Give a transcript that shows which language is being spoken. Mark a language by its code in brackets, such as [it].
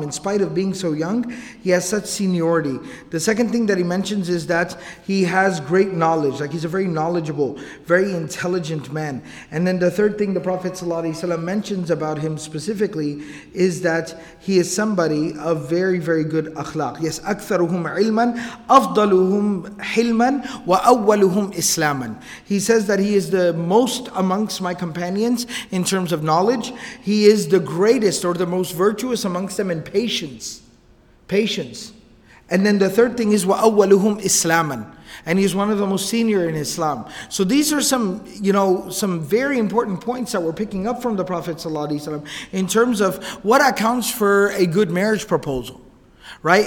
[en] In spite of being so young, he has such seniority. The second thing that he mentions is that he has great knowledge. Like, he's a very knowledgeable, very intelligent man. And then the third thing the Prophet ﷺ mentions about him specifically is that he is somebody of very, very good akhlaq. [ar] Yes, أكثرهم علماً أفضلهم حلماً وأولهم إسلام. [en] He says that he is the most amongst my companions in terms of knowledge. He is the greatest or the most virtuous amongst them in patience. Patience. And then the third thing is [ar] وَأَوَّلُهُمْ إِسْلَامًا. [en] And he is one of the most senior in Islam. So these are some, you know, some very important points that we're picking up from the Prophet ﷺ in terms of what accounts for a good marriage proposal. Right?